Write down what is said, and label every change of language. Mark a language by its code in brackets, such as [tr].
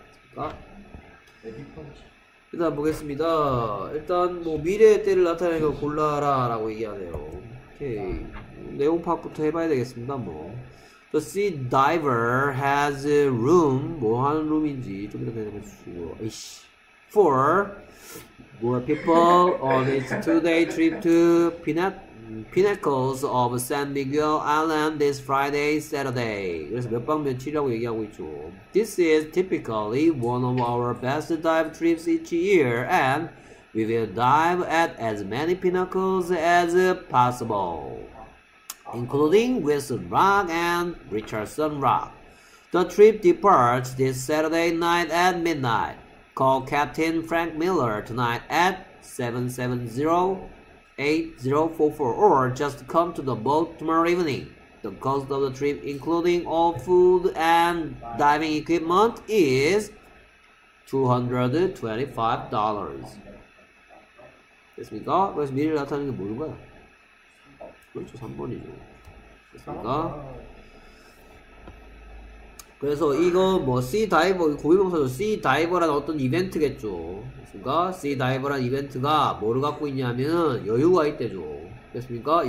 [ko] 그러니까 일단 보겠습니다. 일단 뭐 미래의 때를 나타내는 걸 골라라 라고 얘기하네요. 오케이. 내용 파악부터 해봐야 되겠습니다. [en] 뭐 The sea diver has a room. [ko] 뭐 하는 룸인지 좀 이따 대답해 주시고. [en] For more people on its two-day trip to Pinnacles of San Miguel Island this Friday, Saturday. 그래서 몇 박 며칠이라고 얘기하고 있죠. This is typically one of our best dive trips each year, and we will dive at as many pinnacles as possible, including Wilson Rock and Richardson Rock. The trip departs this Saturday night at midnight. Call Captain Frank Miller tonight at 770-8044 or just come to the boat tomorrow evening. The cost of the trip, including all food and diving equipment, is $225. [ko] 됐습니까? 그래서 미리 나타내는 게 뭐인 거야? 그렇죠, 3번이죠. 됐습니까? 그래서 이거 뭐 sea diver 고유명사죠. sea diver란 어떤 이벤트겠죠. 그니까 sea diver란 이벤트가 뭐를 갖고 있냐면 여유가 있대죠. 됐습니까?